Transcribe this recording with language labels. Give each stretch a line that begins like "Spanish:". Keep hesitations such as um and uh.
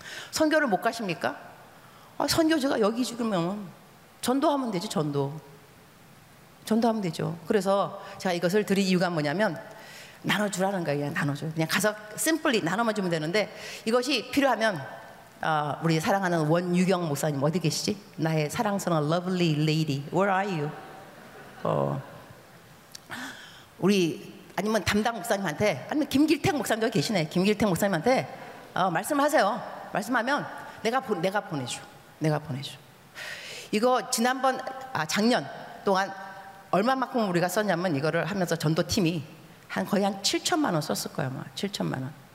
Korean: 선교를 못 가십니까? 아, 선교지가 여기 죽으면 전도하면 되지 전도. 전도하면 되죠. 그래서 제가 이것을 드린 이유가 뭐냐면 나눠주라는 거예요. 그냥 나눠줘. 그냥 가서 심플리 나눠만 주면 되는데 이것이 필요하면 아, 우리 사랑하는 원유경 목사님 어디 계시지? 나의 사랑스러운
English: lovely lady, where are you?
Korean: 어, 우리 아니면 담당 목사님한테 아니면 김길택 목사님도 계시네. 김길택 목사님한테 어, 말씀하세요. 말씀하면 내가 보, 내가 보내줘. 내가 보내줘. 이거 지난번 아 작년 동안 얼마만큼 우리가 썼냐면 이거를 하면서 전도팀이 한 거의 한 7천만 원 썼을 거야 아마 7천만 원.